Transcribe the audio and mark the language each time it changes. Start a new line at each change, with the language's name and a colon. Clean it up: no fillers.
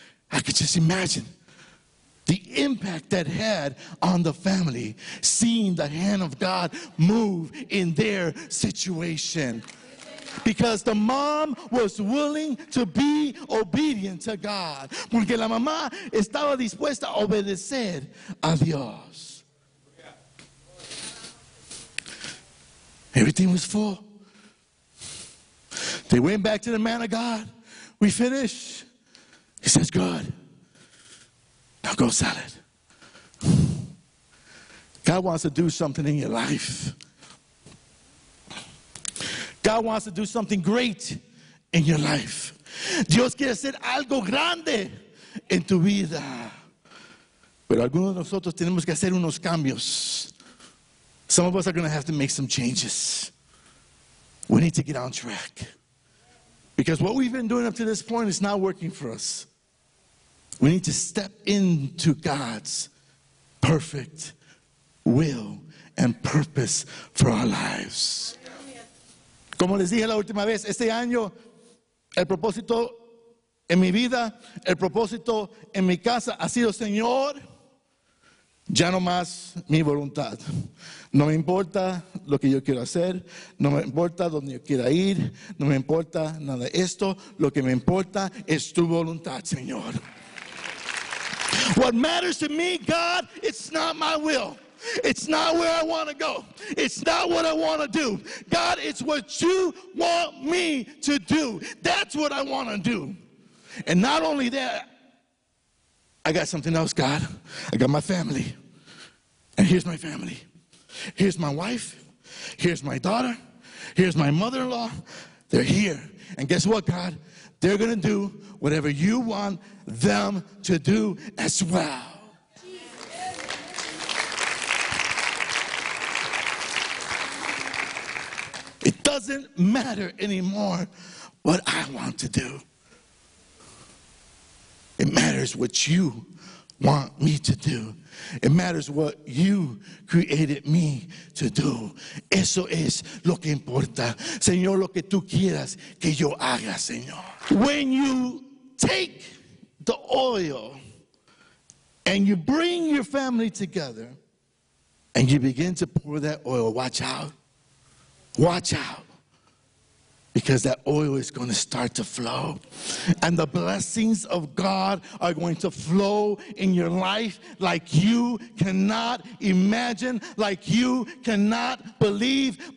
English: I could just imagine the impact that had on the family seeing the hand of God move in their situation. Because the mom was willing to be obedient to God.
Spanish: Porque la mamá estaba dispuesta a obedecer a Dios.
English: Everything was full. They went back to the man of God. We finished. He says, good. Now go sell it. God wants to do something in your life. God wants to do something great in your life.
Spanish: Dios quiere hacer algo grande en tu vida. Pero algunos de nosotros tenemos que hacer unos cambios.
English: Some of us are going to have to make some changes. We need to get on track. Because what we've been doing up to this point is not working for us. We need to step into God's perfect will and purpose for our lives.
Spanish: Como les dije la última vez, este año, el propósito en mi vida, el propósito en mi casa ha sido, Señor, ya no más mi voluntad. No me importa lo que yo quiero hacer, no me importa dónde yo quiera ir, no me importa nada de esto, lo que me importa es tu voluntad, Señor.
English: What matters to me, God, it's not my will. It's not where I want to go. It's not what I want to do. God, it's what you want me to do. That's what I want to do. And not only that, I got something else, God. I got my family. And here's my family. Here's my wife. Here's my daughter. Here's my mother-in-law. They're here. And guess what, God? They're going to do whatever you want them to do as well. It doesn't matter anymore what I want to do. It matters what you want me to do. It matters what you created me to do.
Spanish: Eso es lo que importa. Señor, lo que tú quieras que yo haga, Señor.
English: When you take the oil and you bring your family together and you begin to pour that oil, watch out. Watch out. Because that oil is going to start to flow. And the blessings of God are going to flow in your life like you cannot imagine, like you cannot believe.